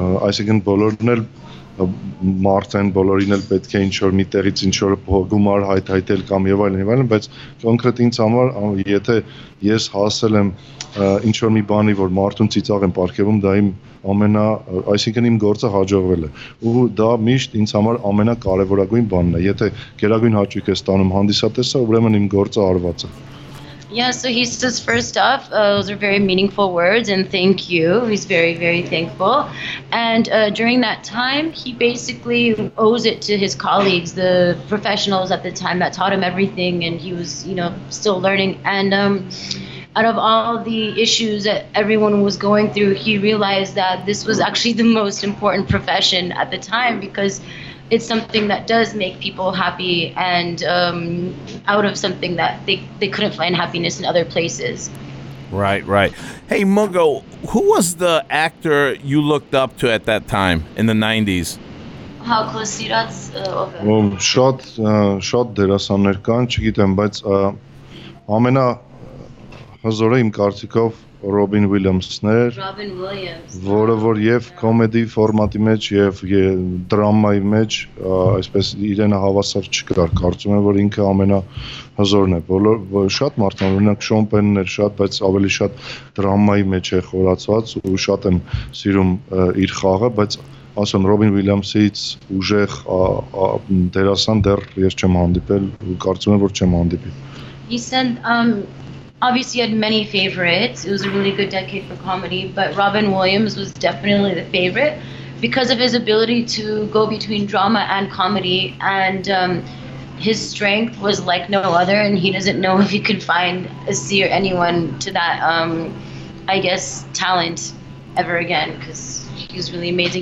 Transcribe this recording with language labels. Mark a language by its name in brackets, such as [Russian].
[Armenian] այսինքն բոլորն էլ մարդ են, բոլորին էլ պետք է ինչ-որ մի տեղից ինչ-որ գումար հայթայթել կամ եւ այլն, բայց կոնկրետ ինձ համար, եթե ես հասել եմ ինչ-որ մի բանի, որ մարդուն ծիծաղ եմ պարգևում, դա իմ ամենա, այսինքն իմ գործը հաջողվել է, ու դա միշտ ինձ համար ամենակարևորագույն բանն է, եթե գերագույն հաճույք է ստանում հանդիսատեսը, ուրեմն իմ գործը արված է։ [English] Yeah, so he says, first off, those are very meaningful words, and thank you. He's very, very thankful. And during that time, he basically owes it to his colleagues, the professionals at the time that taught him everything, and he was, you know, still learning. And out of all the issues that everyone was going through, he realized that this was actually the most important profession at the time, because it's something that does make people happy, and out of something that they couldn't find happiness in other places. Right, right. Hey, Mungo, who was the actor you looked up to at that time in the 90s? How close did that? Well, [Armenian] shot դերասաններ կան, չգիտեմ, բայց ամենա հզորը իմ կարծիքով Robin Williams-ներ, որը որ եւ կոմեդի ֆորմատի մեջ եւ դրամայի մեջ, այսպես իրենը հավասար չկար, կարծում եմ, որ ինքը ամենահզորն է։ Բոլոր շատ մարդներ, օրինակ Շոն Պենն էր շատ, բայց ավելի շատ դրամայի մեջ է խորացած ու շատ եմ սիրում իր խաղը, բայց ասեմ Robin Williams-ից ուժեղ դերասան դեռ ես չեմ հանդիպել, կարծում եմ, որ չեմ հանդիպի։ [English] Obviously, he had many favorites. It was a really good decade for comedy, but Robin Williams was definitely the favorite because of his ability to go between drama and comedy, and his strength was like no other, and he doesn't know if he could find a C or anyone to that, I guess, talent ever again, because he was really amazing.